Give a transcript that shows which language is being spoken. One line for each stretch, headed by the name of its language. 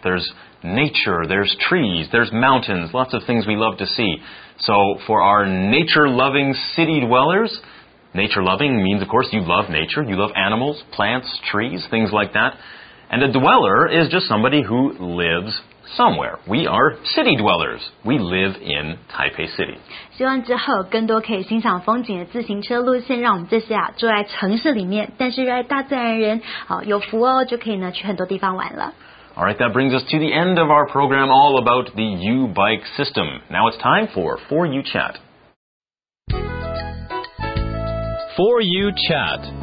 English: There's nature, there's trees, there's mountains, lots of things we love to see. So for our nature-loving city dwellers... Nature-loving means, of course, you love nature, you love animals, plants, trees, things like that. And a dweller is just somebody who lives somewhere. We are city dwellers. We live in Taipei City.
Chinese: 希望之后更多可以欣赏风景的自行车路线，让我们这些啊住在城市里面，但是热爱大自然的人，好有福哦，就可以呢去很多地方玩了。
English: All right, that brings us to the end of our program all about the U-bike system. Now it's time for 4U Chat. For you chat.